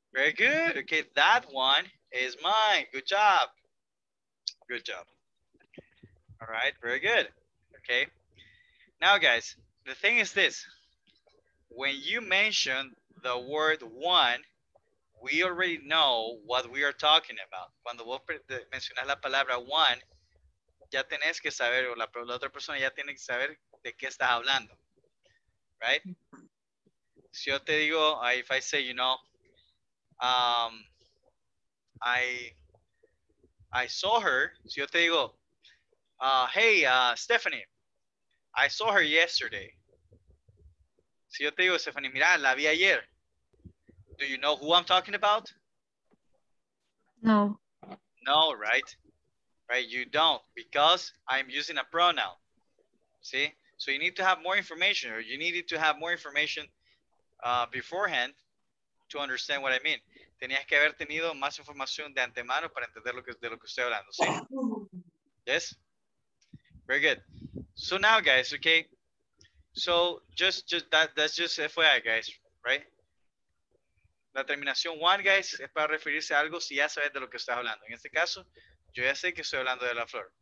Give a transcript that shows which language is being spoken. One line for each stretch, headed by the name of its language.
English: Very good. Okay, that one is mine. Good job. Good job. All right, very good. Okay. Now, guys, the thing is this. When you mention the word one, we already know what we are talking about.
Spanish: Cuando vos mencionas la palabra one, ya tenés que saber, o la otra persona ya tiene que saber de qué estás hablando.
English: Right?
Spanish: Si yo te digo,
English: if I say, you know, I saw her.
Spanish: Si yo te digo,
English: hey, Stephanie, I saw her yesterday.
Spanish: Si yo te digo, Stephanie, mira, la vi ayer.
English: Do you know who I'm talking about? No. No, right? Right, you don't, because I'm using a pronoun. See? So you need to have more information, or you needed to have more information beforehand to understand what I mean.
Spanish: Tenías que haber tenido más información de antemano para entender lo que estoy hablando, ¿sí?
English: Yes? Very good. So now, guys, okay? So that's just FYI, guys, right?
Spanish: La terminación one, guys, es para referirse a algo si ya sabes de lo que estás hablando. En este caso, yo ya sé que estoy hablando de la flor.